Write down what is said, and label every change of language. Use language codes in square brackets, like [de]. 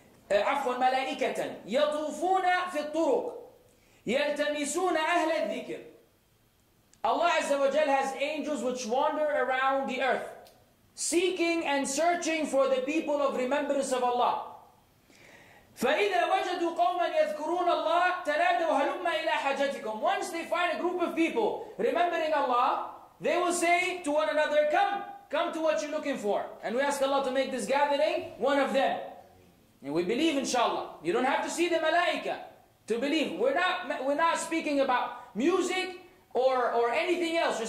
[ar] عفوا ملائكة يطوفون في الطرق يلتمسون أهل الذكر. [en] Allah Azza wa Jal has angels which wander around the earth seeking and searching for the people of remembrance of Allah. [ar] فإذا وجدوا قوما يذكرون الله تنادوا هلما إلى حاجتكم. [en] Once they find a group of people remembering Allah, they will say to one another, come to what you're looking for. And we ask Allah to make this gathering one of them. And we believe, inshallah. You don't have to see the malaika to believe. We're not speaking about music or anything else.